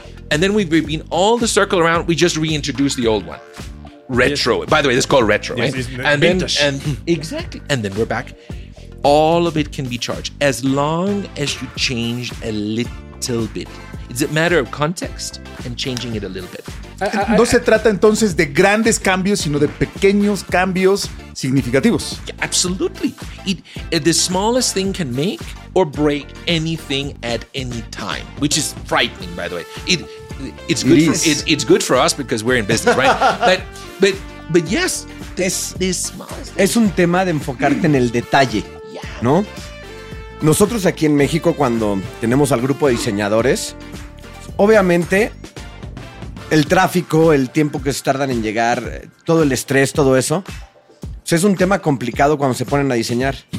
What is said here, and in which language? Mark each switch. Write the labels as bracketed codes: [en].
[en] And then we've been all the circle around, we just reintroduced the old one. Retro. Yes. By the way, this is called retro, right? Exactly. And then we're back. All of it can be charged as long as you change a little bit. It's a matter of context and changing it a little bit. [es] No se trata entonces de grandes cambios, sino de pequeños cambios significativos. [en] Yeah, absolutely. The smallest thing can make or break anything at any time, which is frightening, by the way. It's good for us because we're in business, right? but yes, this smallest thing. [es] Es un tema de enfocarte en el detalle, ¿no? Nosotros aquí en México, cuando tenemos al grupo de diseñadores, obviamente el tráfico, el tiempo que se tardan en llegar, todo el estrés, todo eso, pues es un tema complicado cuando se ponen a diseñar.